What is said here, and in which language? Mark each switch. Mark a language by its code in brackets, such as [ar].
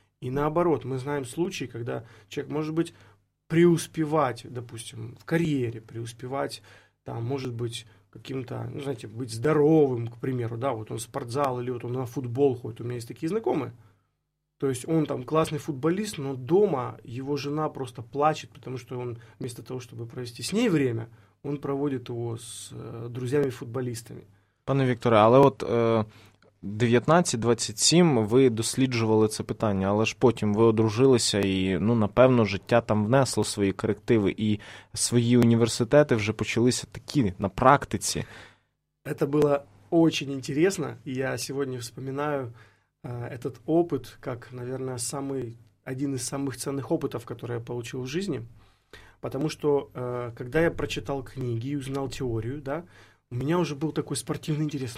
[ru] И наоборот, мы знаем случаи, когда человек может быть преуспевать, допустим, в карьере, преуспевать, там, может быть, каким-то, ну, знаете, быть здоровым, к примеру, да, вот он в спортзал или вот он на футбол ходит, у меня есть такие знакомые. То есть он там классный футболист, но дома его жена просто плачет, потому что он вместо того, чтобы провести с ней время, он проводит его с друзьями-футболистами. [uk] Пане Вікторе, але от 19-27 ви досліджували це питання, але ж потім ви одружилися і, ну, напевно, життя там внесло свої корективи, і свої університети вже почалися такі на практиці. Це було дуже цікаво. [ru] Я [uk] сьогодні [ru] вспоминаю этот опыт как, наверное, один из самых ценных опытов, который я получил в жизни. Потому что, когда я прочитал книги и узнал теорию, да, у меня уже был такой спортивный интерес.